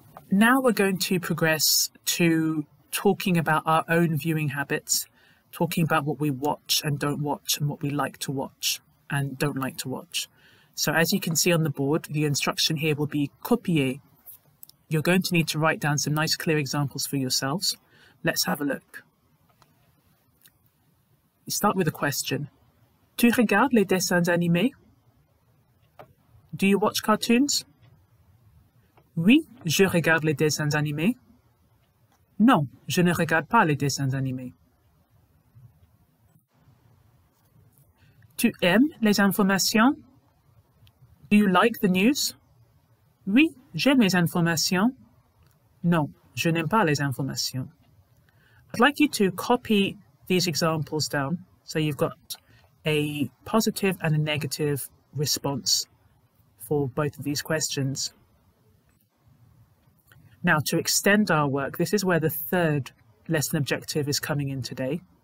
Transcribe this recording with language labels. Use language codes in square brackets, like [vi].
[en] Now we're going to progress to talking about our own viewing habits, talking about what we watch and don't watch, and what we like to watch and don't like to watch. So as you can see on the board, the instruction here will be copier. You're going to need to write down some nice clear examples for yourselves. Let's have a look. You start with a question. [fr] Tu regardes les dessins animés? [en] Do you watch cartoons? [fr] Oui, je regarde les dessins animés. Non, je ne regarde pas les dessins animés. Tu aimes les informations? [en] Do you like the news? [fr] Oui, j'aime les informations. Non, je n'aime pas les informations. [en] I'd like you to copy these examples down so you've got a positive and a negative response for both of these questions. Now, to extend our work, this is where the third lesson objective is coming in today.